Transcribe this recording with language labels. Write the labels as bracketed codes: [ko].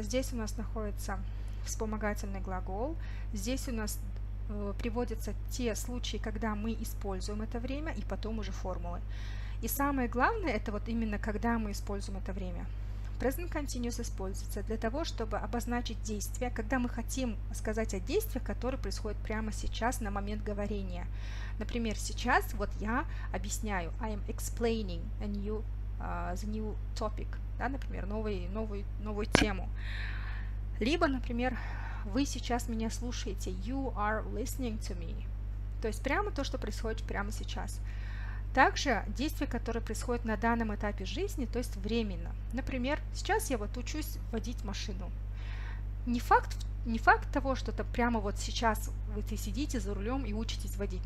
[ru] Здесь у нас находится вспомогательный глагол. Здесь у нас приводятся те случаи, когда мы используем это время, и потом уже формулы. И самое главное, это вот именно когда мы используем это время. Present Continuous используется для того, чтобы обозначить действие, когда мы хотим сказать о действиях, которые происходят прямо сейчас, на момент говорения. Например, сейчас вот я объясняю. [en] I am explaining a new, the new topic. [ru] Да, например, новую тему. Либо, например, вы сейчас меня слушаете. [en] You are listening to me. [ru] То есть прямо то, что происходит прямо сейчас. Также действия, которые происходят на данном этапе жизни, то есть временно. Например, сейчас я вот учусь водить машину. Не факт того, что это прямо вот сейчас вы сидите за рулем и учитесь водить.